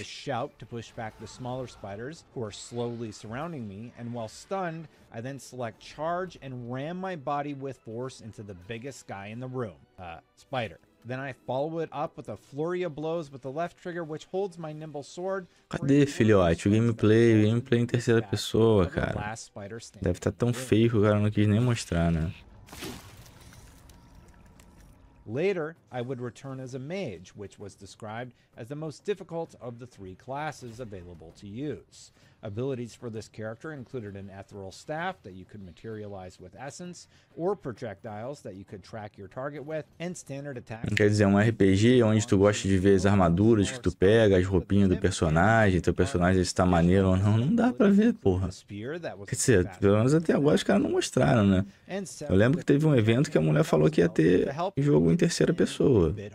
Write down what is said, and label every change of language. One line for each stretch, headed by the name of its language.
English: I shout to push back the smaller spiders who are slowly surrounding me, and while stunned, I then select charge and ram my body with force into the biggest guy in the room, spider. Then I follow it up with a flurry of blows with the left trigger, which holds my nimble sword.
Portuguese: Cadê, filhote? O gameplay em terceira pessoa, cara. Deve estar tão feio que o cara não quis nem mostrar, né?
English: Later, I would return as a mage, which was described as the most difficult of the three classes available to use. Abilities for this character included an ethereal staff that you could materialize with essence, or projectiles that you could track your target with, and standard attacks.
Portuguese: Quer dizer, um RPG onde tu gosta de ver as armaduras que tu pega, as roupinhas do personagem, teu personagem está maneiro ou não, não dá pra ver, porra. Quer dizer, pelo menos até agora os caras não mostraram, né? Eu lembro que teve um evento que a mulher falou que ia ter jogo em terceira pessoa.